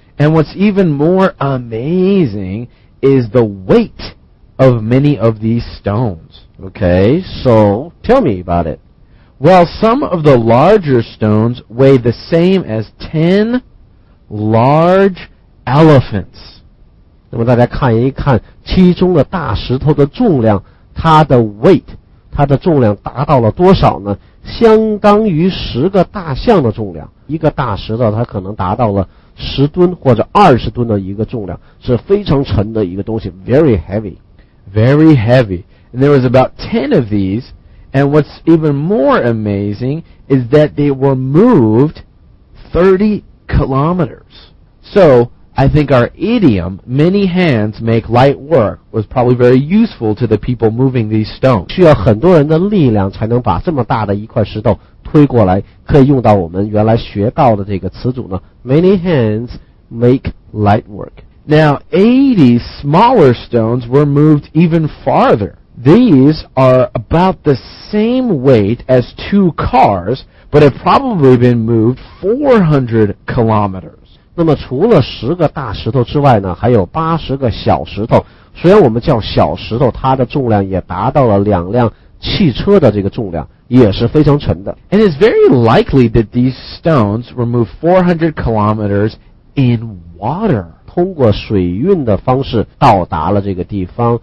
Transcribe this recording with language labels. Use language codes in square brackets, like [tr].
[en] And what's even more amazing is the weight of many of these stones. Okay, so tell me about it. Well, some of the larger stones weigh the same as 10 large elephants. [zh] 那么大家看一看其中的大石头的重量，它的 weight, 它的重量达到了多少呢？相当于十个大象的重量，一个大石头它可能达到了10吨或者20吨的一个重量，是非常沉的一个东西， [en] very heavy. Very heavy. And there was about 10 of these, and what's even more amazing is that they were moved 30 kilometers. So, I think our idiom, many hands make light work, was probably very useful to the people moving these stones. [zh] 需要很多人的力量才能把这么大的一块石头推过来，可以用到我们原来学到的这个词组呢。 [en] Many hands make light work. Now, 80 smaller stones were moved even farther. These are about the same weight as 2 cars, but have probably been moved 400 kilometers. [zh] 那么除了十个大石头之外呢，还有80个小石头，虽然我们叫小石头，它的重量也达到了2辆汽车的这个重量，也是非常沉的。 [en] And it's very likely that these stones were moved 400 kilometers in water, [zh] 通过水运的方式到达了这个地方。